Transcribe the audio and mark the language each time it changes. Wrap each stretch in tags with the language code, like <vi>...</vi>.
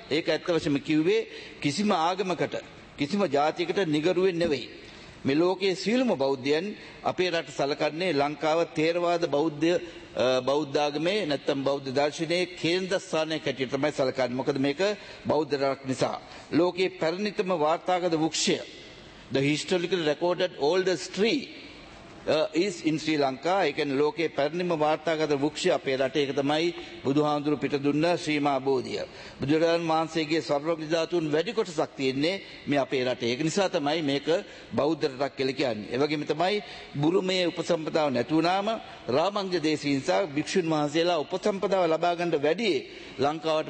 <si>ඒක ඇත්ත වශයෙන්ම කිව්වේ කිසිම ආගමකට කිසිම ජාතියකට නිගරුවේ නෙවෙයි. මේ ලෝකයේ සියලුම බෞද්ධයන් අපේ රට සලකන්නේ ලංකාව තේරවාද බෞද්ධ බෞද්ධාගමේ නැත්තම් බෞද්ධ දර්ශනයේ කේන්ද්‍රස්ථානයක් හැටියට තමයි සලකන්නේ. මොකද මේක බෞද්ධ රටක් නිසා. ලෝකයේ පැරණිතම වාර්තාගත වෘක්ෂය</si> <en>The historically recorded oldest tree is in Sri Lanka.</en> <si>ඒ කියන්නේ ලෝකයේ පැරණිම වාර්තාගත වෘක්ෂය අපේ රටේ. ඒක තමයි බුදුහාමුදුරු පිට දුන්න ශ්‍රීමා බෝධිය. බුදුරජාණන් වහන්සේගේ සර්වඥ ධාතුන් වැඩි කොටසක් තියෙන්නේ මේ අපේ රටේ. ඒක නිසා තමයි මේක බෞද්ධ රටක් කියලා කියන්නේ. ඒ වගේම තමයි බුරුමයේ උපසම්පදාව නැති වුණාම රාමංජ දේශී නිසා භික්ෂුන් වහන්සේලා උපසම්පදාව ලබා ගන්න වැඩි ලංකාවට.</si>